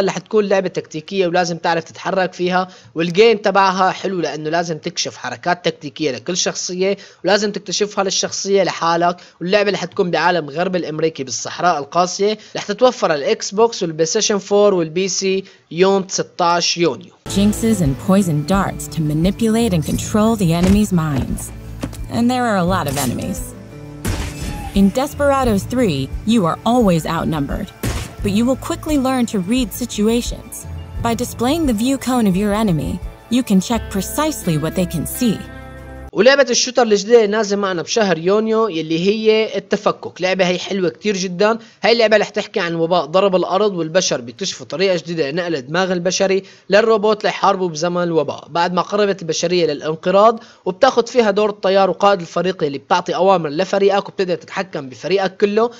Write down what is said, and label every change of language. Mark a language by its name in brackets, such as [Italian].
[Arabic] رح تكون لعبة تكتيكية ولازم تعرف تتحرك فيها، والجيم تبعها حلو لانه لازم تكشف حركات تكتيكية لكل شخصية ولازم تكتشفها للشخصية لحالك. واللعبة رح تكون بعالم غرب الامريكي بالصحراء القاسية. رح تتوفر على الاكس بوكس والبلاي ستيشن 4 والبي سي يوم 16 يونيو. [English] Jinxes and poison darts to manipulate and control the enemy's minds. And there are a lot of enemies. In Desperados 3, you are always outnumbered, but you will quickly learn to read situations. By displaying the view cone of your enemy, you can check precisely what they can see. [Arabic] ولعبة الشوتر الجديدة نازل معنا بشهر يونيو يلي هي التفكك. لعبة هي حلوة كتير جدا. هاي اللعبة رح تحكي عن وباء ضرب الأرض والبشر بيكتشفوا طريقة جديدة لنقل الدماغ البشري للروبوت ليحاربوا بزمن الوباء بعد ما قربت البشرية للانقراض، وبتاخد فيها دور الطيار وقائد الفريق اللي بتعطي أوامر لفريقك وبتقدر تتحكم بفريقك كله.